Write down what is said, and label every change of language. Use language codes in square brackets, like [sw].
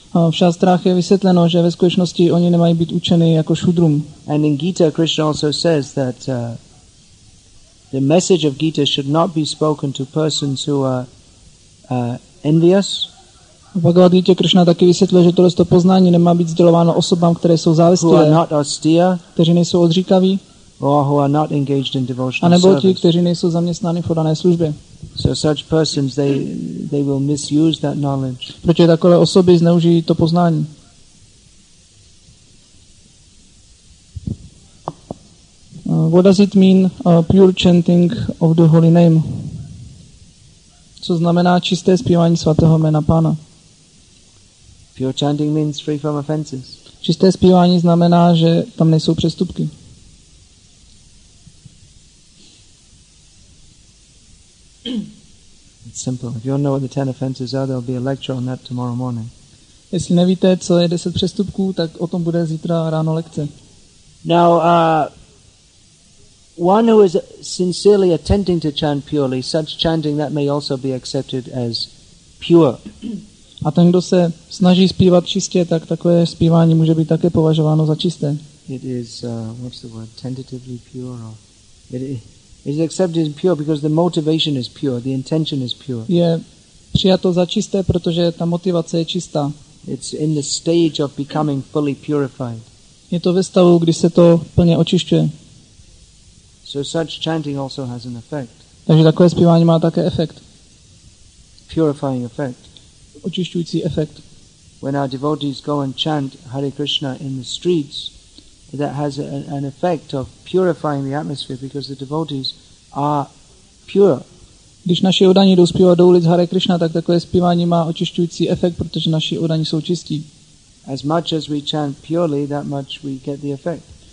[cs] V šastrách je vysvětleno, že ve skutečnosti oni nemají být učeni jako šudrům. [en] And in Gita Krishna also says that the message of Gita should not be spoken to persons who are envious. [cs] V Bhagavad Gita Krishna taky vysvětluje, že tohle poznání nemá být sdělováno osobám, které jsou závislé, [en] who are not austere, [cs] kteří nejsou odříkaví, [en] or who are not engaged in devotional service. [cs] A nebo ti, kteří nejsou zaměstnáni v podané službě. [en] So such persons they will misuse that knowledge. [cs] Protože takové osoby zneužijí to poznání. [en] What does it mean pure chanting of the holy name? [cs] Co znamená čisté zpívání svatého jména Pána? [en] Pure chanting means free from offenses. [cs] Čisté zpívání znamená, že tam nejsou přestupky. [en] It's simple. If you don't know what the 10 offenses are, there'll be a lecture on that tomorrow morning. [cs] Jestli nevíte, co je 10 přestupků, tak o tom bude zítra ráno lekce. [en] Now, one who is sincerely attempting to chant purely, such chanting that may also be accepted as pure. [cs] A ten, kdo se snaží zpívat čistě, tak takové zpívání může být také považováno za čisté. [en] It is what's the word? Tentatively pure. Or it is accepted as pure because the motivation is pure, the intention is pure. [cs] Je přijato za čisté, protože ta motivace je čistá. [en] It's in the stage of becoming fully purified. [cs] Je to ve stavu, kdy se to plně očišťuje. [en] So such chanting also has an effect. [cs] Takže takové zpívání má také efekt. [en] Purifying effect. [cs] Očišťující efekt. [en] when our devotees go and chant Hare Krishna in the streets, that has an effect of purifying the atmosphere because the devotees are pure. [cs] Když naši oddaní jdou zpívat do ulic Hare Krishna, tak takové zpívání má očišťující efekt, protože naši oddaní jsou čistí. [en] As much as we chant purely, that much we get the effect.